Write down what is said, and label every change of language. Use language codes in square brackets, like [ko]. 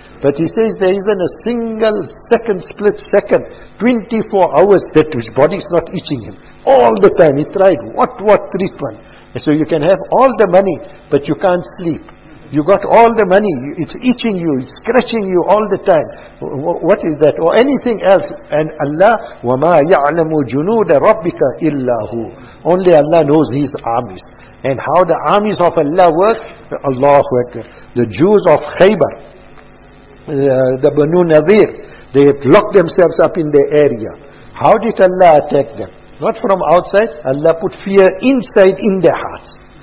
[en] But he says there isn't a single second, split second, 24 hours that his body is not itching him. All the time he tried, what treatment. And so you can have all the money, but you can't sleep. You got all the money, it's itching you, it's scratching you all the time. What is that? Or anything else? And Allah, [ar] وَمَا يَعْلَمُ جُنُودَ رَبِّكَ إِلَّا هُوَ. [en] Only Allah knows His armies. And how the armies of Allah work? Allahu Akbar. The Jews of Khaybar, the Banu Nadir, they have locked themselves up in their area. How did Allah attack them? Not from outside. Allah put fear inside in their hearts.